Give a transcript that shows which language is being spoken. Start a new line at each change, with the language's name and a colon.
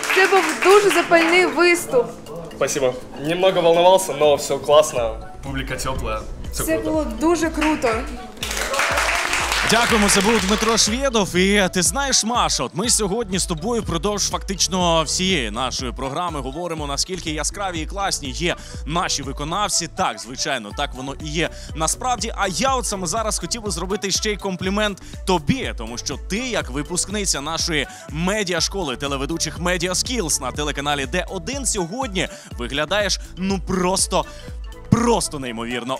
Ukrainian: був дуже запальний виступ.
Russian: Спасибо. Немного волновался, но все классно.
Ukrainian: Публіка тепла. Все було дуже круто. Дякуємо, це був Дмитро Шведов. І ти знаєш, Маша, от ми сьогодні з тобою впродовж фактично всієї нашої програми говоримо, наскільки яскраві і класні є наші виконавці. Так, звичайно, так воно і є насправді. А я от саме зараз хотів би зробити ще й комплімент тобі, тому що ти, як випускниця нашої медіашколи телеведучих Media Skills на телеканалі D1, сьогодні виглядаєш, ну, просто неймовірно.